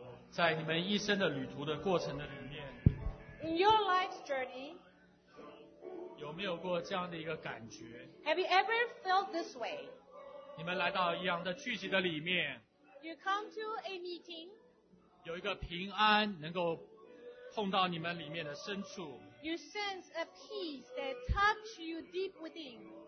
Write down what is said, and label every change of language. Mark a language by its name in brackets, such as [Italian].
[Chinese] 在你们一生的旅途的过程的里面， [English] In your life's journey, [Chinese] 有没有过这样的一个感觉？ [English] Have you ever felt this way? [Chinese] 你们来到一样的聚集的里面， [English] You come to a meeting, [Chinese] 有一个平安能够碰到你们里面的深处， [English] You sense a peace that touch you deep within.